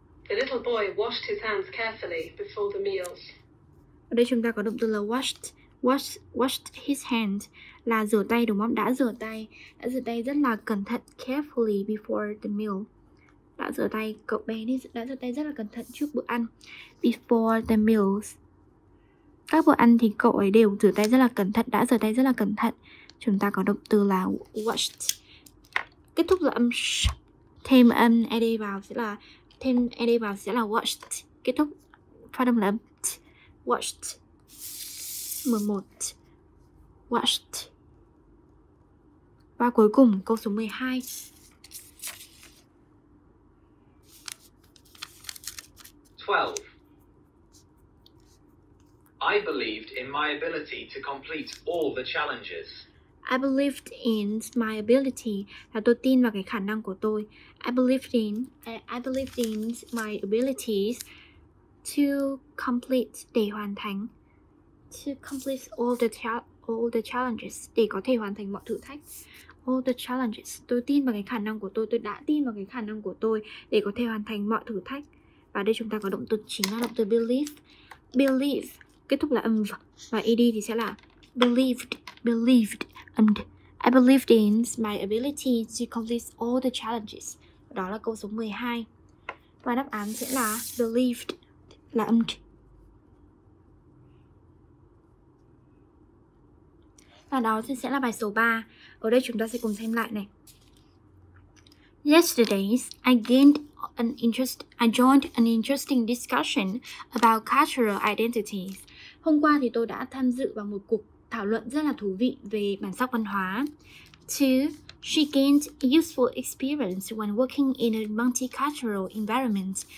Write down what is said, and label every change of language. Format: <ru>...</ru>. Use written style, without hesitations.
<en>little boy washed his hands carefully before the meals.</en> <vi>Ở đây chúng ta có động từ là</vi> <en>washed his hand,</en> <vi>là rửa tay đúng không? Đã rửa tay rất là cẩn thận,</vi> <en>carefully before the meal.</en> <vi>Đã rửa tay, cậu bé đã rửa tay rất là cẩn thận trước bữa ăn.</vi> <en>Before the meals.</en> <vi>Các bữa ăn thì cậu ấy đều rửa tay rất là cẩn thận, đã rửa tay rất là cẩn thận. Chúng ta có động từ là washed. Kết thúc là âm sh. Thêm âm ed vào sẽ là washed. Kết thúc phát âm là t. Washed. M1. Washed. Và cuối cùng câu số 12.</vi> <en>I believed in my ability to complete all the challenges. I believed in my ability.</en> <vi>Là tôi tin vào cái khả năng của tôi.</vi> <en>I believed in my abilities to complete,</en> <vi>để hoàn thành.</vi> <en>To complete all the challenges,</en> <vi>để có thể hoàn thành mọi thử thách.</vi> <en>All the challenges.</en> <vi>Tôi tin vào cái khả năng của tôi. Tôi đã tin vào cái khả năng của tôi để có thể hoàn thành mọi thử thách. Và đây chúng ta có động từ chính là động từ believe. Kết thúc là âm v và ed thì sẽ là</vi> <en>believed and I believed in my ability to complete all the challenges.</en> <vi>Đó là câu số 12 và đáp án sẽ là believed là âm d. Và đó thì sẽ là bài số 3. Ở đây chúng ta sẽ cùng xem lại này.</vi> <en>Yesterday, I joined an interesting discussion about cultural identities.</en> <vi>Hôm qua thì tôi đã tham dự vào một cuộc thảo luận rất là thú vị về bản sắc văn hóa. 2.</vi> <en>She gained useful experience when working in a multicultural environment.</en>